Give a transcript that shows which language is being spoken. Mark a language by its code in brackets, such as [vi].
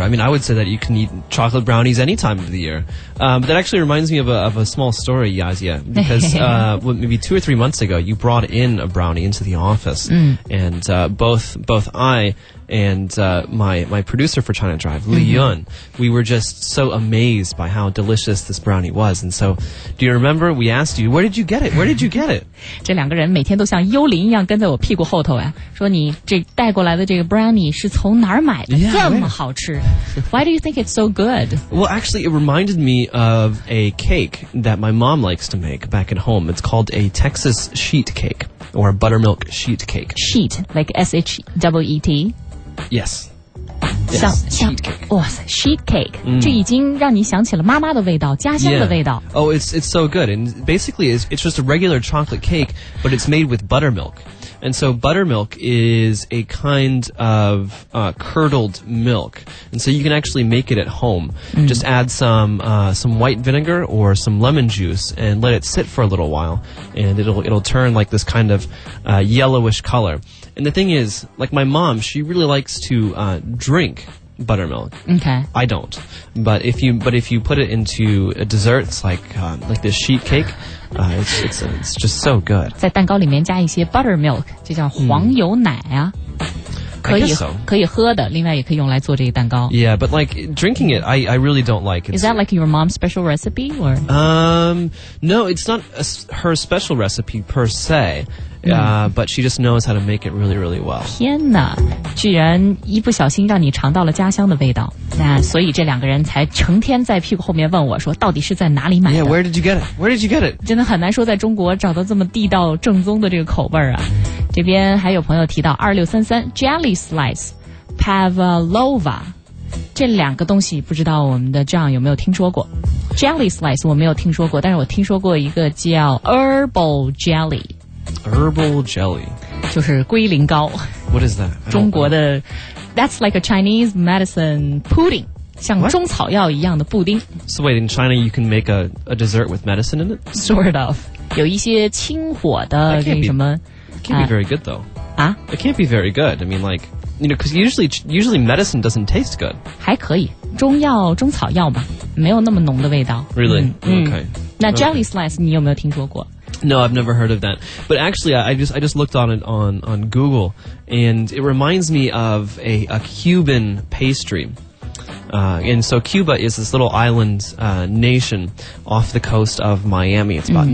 [en] I mean, I would say that you can eat chocolate brownies any time of the year. But that actually reminds me of a small story, Yazia, because maybe 2 or 3 months ago, you brought in a brownie into the office. And both I and my producer for China Drive, Li Yun, we were just so amazed by how delicious this brownie was. And so, do you remember we asked you, where did you get it? [zh] 这两个人每天都像幽灵一样跟在我屁股后头呀，说你这带过来的这个 brownie 是从哪儿买的？ [en] Yeah. Why do you think it's so good? Well, actually, it reminded me of a cake that my mom likes to make back at home. It's called a Texas sheet cake or a buttermilk sheet cake. Sheet, like S-H-E-E-T? Yes. yes, [zh] 像 [en] sheet cake. [zh] 哇塞 ，sheet cake，、mm. 这已经让你想起了妈妈的味道，家乡的味道。 [en] Yeah. Oh, it's so good. And basically, it's just a regular chocolate cake, but it's made with buttermilk. And so buttermilk is a kind of、curdled milk. And so you can actually make it at home.、Mm. Just add some white vinegar or some lemon juice and let it sit for a little while. And it'll turn like this kind of、yellowish color. And the thing is, like my mom, she really likes to、drink buttermilk. Okay. I don't. But if you put it into a dessert, it's like this sheet cake,、it's just so good. [zh] 在蛋糕里面加一些 buttermilk, 就叫黄油奶啊。Mm. 可以喝的，另外也可以用来做这个蛋糕。 [en] Yeah, but like drinking it, I really don't like it. Is that like your mom's special recipe or? No, it's not her special recipe per se. But she just knows how to make it really, really well. [zh] 天哪，居然一不小心让你尝到了家乡的味道。那所以这两个人才成天在屁股后面问我说，到底是在哪里买的 [en] ？Yeah, where did you get it? Where did you get it? [zh] 真的很难说在中国找到这么地道正宗的这个口味啊。这边还有朋友提到2633 Jelly Slice Pavlova 这两个东西不知道我们的John有没有听说过 Jelly Slice 我没有听说过但是我听说过一个叫 Herbal Jelly [en] Herbal Jelly [zh] 就是龟苓膏 [en] What is that? [zh] 中国的 [en] That's like a Chinese medicine pudding [zh] 像中草药一样的布丁 [en] So wait, in China you can make a dessert with medicine in it? Sort of [zh] 有一些清火的那什么 [en] It can't be very good, though. Ah?、 It can't be very good. I mean, like, you know, because usually medicine doesn't taste good. [zh] 还可以，中药中草药嘛，没有那么浓的味道。 [en] Really?、Mm. Okay. [zh] 那 jelly slice 你有没有听说过 [en] ？No, I've never heard of that. But actually, I just looked on it on Google, and it reminds me of a Cuban pastry. And so Cuba is this little island、nation off the coast of Miami. It's about、mm.